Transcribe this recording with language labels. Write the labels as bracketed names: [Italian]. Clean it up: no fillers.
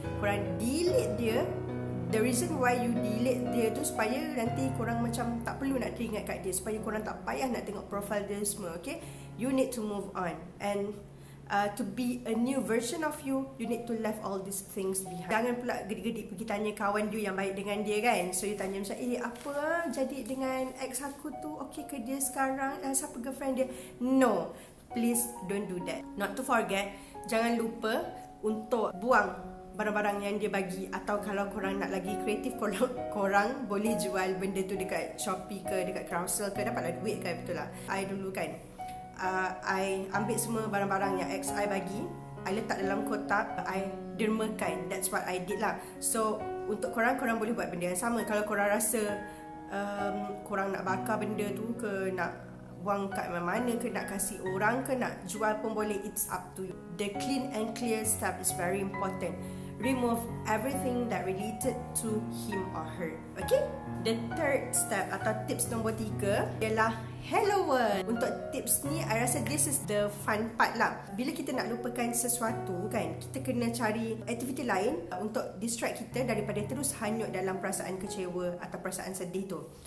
[Malay] Korang delete dia. [English] The reason why you delete [Malay] dia tu supaya nanti korang macam tak perlu nak teringat kat dia, supaya korang tak payah nak tengok profile dia semua, okay? [English] You need to move on and to be a new version of you, you need to leave all these things behind. [Malay] Jangan pula gedik-gedik pergi tanya kawan you yang baik dengan dia kan. So you tanya macam, eh apa jadi dengan ex aku tu, okay ke dia sekarang, siapa girlfriend dia? [English] No, please don't do that. Not to forget, [Malay] jangan lupa untuk buang barang-barang yang dia bagi. Atau kalau korang nak lagi kreatif, korang boleh jual benda tu dekat Shopee ke, dekat Carousel ke, dapatlah duit kan, betul lah. I dulu kan, I ambil semua barang-barang yang ex I bagi, I letak dalam kotak, I dermakan. [English] That's what I did [Malay] lah. So untuk korang, korang boleh buat benda yang sama. Kalau korang rasa korang nak bakar benda tu ke, nak buang kat mana-mana ke, nak kasih orang ke, nak jual pun boleh. [English] It's up to you. The clean and clear step is very important. Remove everything that related to him or her. Okay? The third step [Malay] atau tips nombor tiga ialah hello world. Untuk tips ni, I rasa [English] this is the fun part [Malay] lah. Bila kita nak lupakan sesuatu kan, kita kena cari aktiviti lain untuk distract kita daripada terus hanyut dalam perasaan kecewa atau perasaan sedih tu.